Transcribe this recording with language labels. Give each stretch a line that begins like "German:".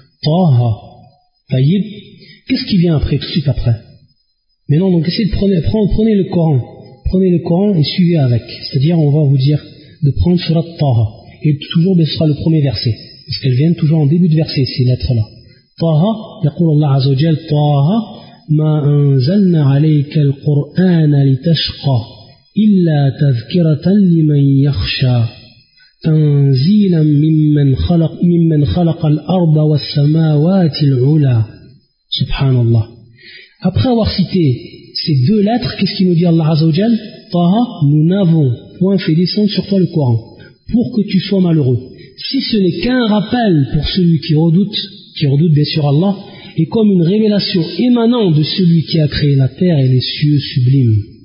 French: Taha, Tayyib, qu'est-ce qui vient après, tout de suite après? Maintenant, donc essayez de prenez le Coran, et suivez avec, c'est-à-dire on va vous dire de prendre surat Taha, et toujours ce sera le premier verset, parce qu'elles viennent toujours en début de verset, ces lettres-là.
Arabic: Taha, yaqul Allah Azza wa Jal, Taha, ما أنزلنا عليك القرآن لتشقى إلا تذكرة لمن يخشى تنزيلا ممن خلق الأرض والسماوات العلى سبحان الله.
French: Après avoir cité ces deux lettres, qu'est-ce qu'il nous dit Allah Azza wa Jal? Taha, nous n'avons point fait descendre sur toi le Coran pour que tu sois malheureux, si ce n'est qu'un rappel pour celui qui redoute bien sûr Allah, et comme une révélation émanant de celui qui a créé la terre et les cieux sublimes.